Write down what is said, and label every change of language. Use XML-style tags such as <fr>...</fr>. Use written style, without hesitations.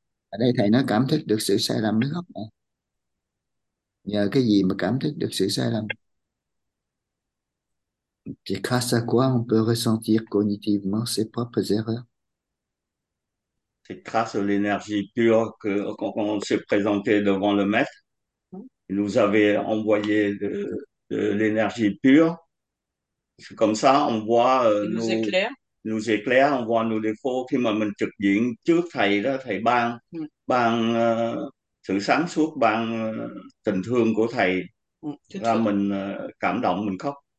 <vi>Ở đây thầy nói cảm thức được sự sai lầm mới khóc này. Nhờ cái gì mà cảm thức được sự sai lầm?</vi> <fr>C'est grâce à quoi on peut ressentir cognitivement ses propres erreurs? C'est grâce à l'énergie pure qu'on s'est présenté devant le maître. Il nous avait envoyé de l'énergie pure. C'est comme ça on voit nous éclaire, on voit nos défauts.</fr> <vi>Khi mà mình trực diện trước thầy đó, thầy ban ban sự sáng suốt, ban tình thương của thầy, ra mình cảm động, mình khóc.</vi>